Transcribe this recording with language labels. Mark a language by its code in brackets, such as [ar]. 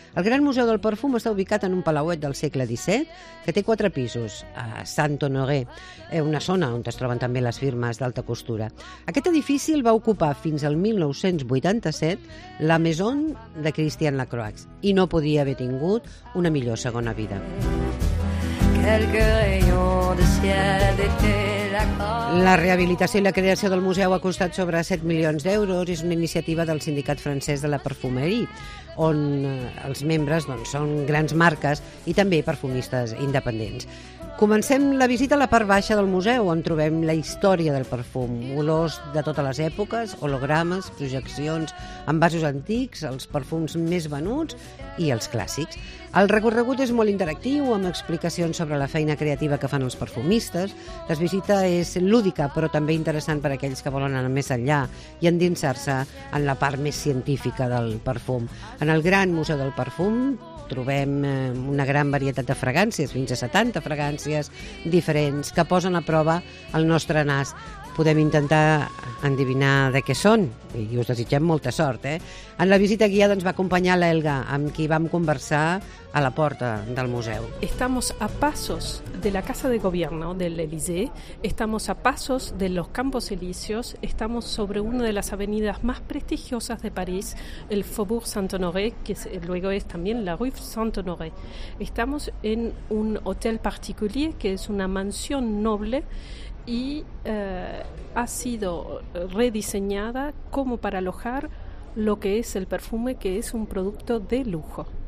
[ca] El Gran Museu del Perfum està ubicat en un palauet del segle XVII que té 4 pisos, a Saint-Honoré, una zona on es troben també les firmes d'alta costura. Aquest edifici el va ocupar fins al 1987 la Maison de Christian Lacroix i no podia haver tingut una millor segona vida. [fr] Quelques rayons de ciel d'été. [ca] La rehabilitació i la creació del museu ha costat sobre 7 milions d'euros i és una iniciativa del Sindicat Francès de la Perfumerie, on els membres doncs, són grans marques i també perfumistes independents. Comencem la visita a la part baixa del museu, on trobem la història del perfum, olors de totes les èpoques, hologrames, projeccions, envasos antics, els perfums més venuts i els clàssics. El recorregut és molt interactiu, amb explicacions sobre la feina creativa que fan els perfumistes. La visita és lúdica, però també interessant per a aquells que volen anar més enllà i endinsar-se en la part més científica del perfum. En el Gran Museu del Perfum trobem una gran varietat de fragàncies, fins a 70 fragàncies diferents que posen a prova el nostre nas. Podem intentar endevinar de què són i us desitgem molta sort. En la visita guiada ens va acompanyar l'Elga, amb qui vam conversar a la porta del museu. [es] Estamos a pasos de la Casa de Gobierno del Élysée, estamos a pasos de los Campos Elíseos, estamos sobre una de las avenidas más prestigiosas de París, el Faubourg Saint-Honoré, que luego es también la Rue Saint-Honoré. Estamos en un hotel particulier, que es una mansión noble, y ha sido rediseñada como para alojar lo que es el perfume, que es un producto de lujo.